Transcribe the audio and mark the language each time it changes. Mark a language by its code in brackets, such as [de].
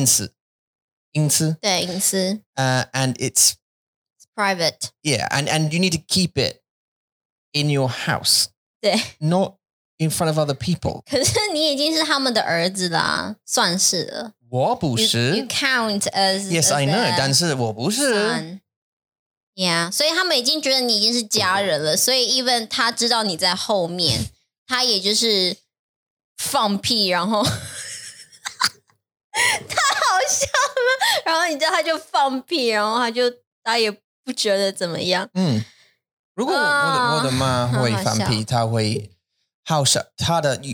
[zh] 很多人会放屁，他们也会打嗝。嗯，OK，没关系，但是这是隐私，对，隐私。And [en] it's private. Yeah, and you need to keep it in your house. [zh] 对 [en] ，not in front of other people. [zh] 可是你已经是他们的儿子啦，算是了。我不是。 [en] You count as yes, I know. [zh] 但是我不是。 Yeah, 所以他们已经觉得你已经是家人了，所以 even 他知道你在后面，他也就是放屁，然后太好笑了。然后你知道他就放屁，然后他就他也不觉得怎么样。嗯，如果我的妈会放屁，他会好笑。他的